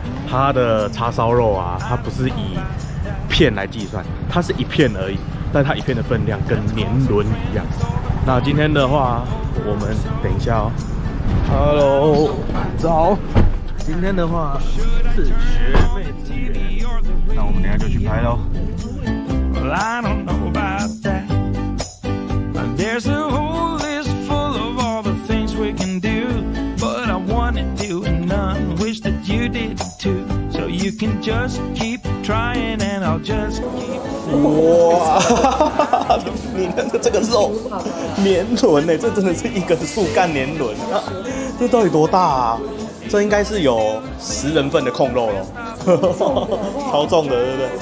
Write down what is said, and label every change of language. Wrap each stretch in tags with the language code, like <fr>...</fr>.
<zh>它的叉烧肉啊，它不是以片来计算，它是一片而已，但它一片的分量跟年轮一样。那今天的话，我们等一下哦。</zh> <en>Hello，</en> <zh>早。今天的话是学妹之约，那我们等一下就去拍喽。</zh> <en>Well, I don't know about that. There's a whole list full of all the things we can do, but I wanna do none. Wish that you did too, so you can just keep.</en> <zh>哇，你看这个肉绵轮哎，这真的是一根树干绵轮啊！这到底多大啊？这应该是有十人份的控肉喽，超重的，对不对？</zh>